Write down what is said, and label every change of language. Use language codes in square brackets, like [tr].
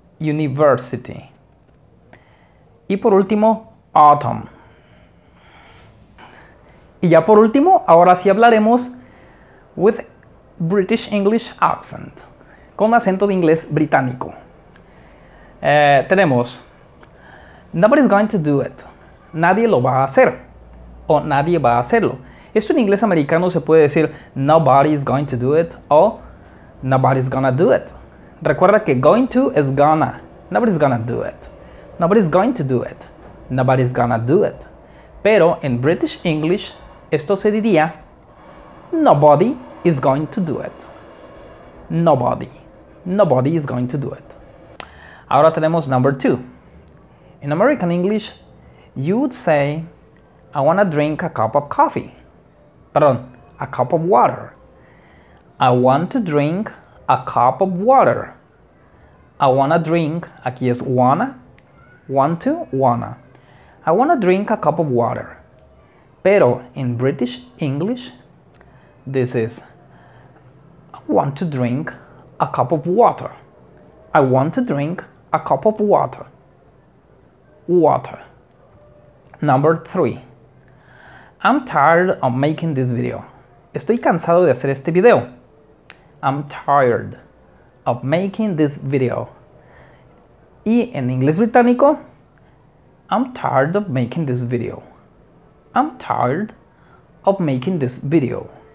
[es] University. Y por último, autumn. Y ya por último, ahora sí hablaremos with British English accent, con acento de inglés británico. [en] Tenemos, nobody's going to do it. [es] Nadie lo va a hacer o nadie va a hacerlo. Esto en inglés americano se puede decir nobody's going to do it o nobody's gonna do it. Recuerda que going to es gonna. Nobody's gonna do it. [en] Nobody's going to do it. Nobody's gonna do it. Pero en British English esto se diría nobody is going to do it. Nobody. Nobody is going to do it. [es] Ahora tenemos number two. [en] In American English, you would say, I want to drink a cup of coffee. Perdón, a cup of water. I want to drink a cup of water. I want to drink, aquí es wanna, want to, wanna. I want to drink a cup of water. Pero in British English, this is, I want to drink a cup of water. I want to drink a cup of water. Water. Number three. I'm tired of making this video. [es] Estoy cansado de hacer este video. [en] I'm tired of making this video. Y en inglés británico, I'm tired of making this video. I'm tired of making this video.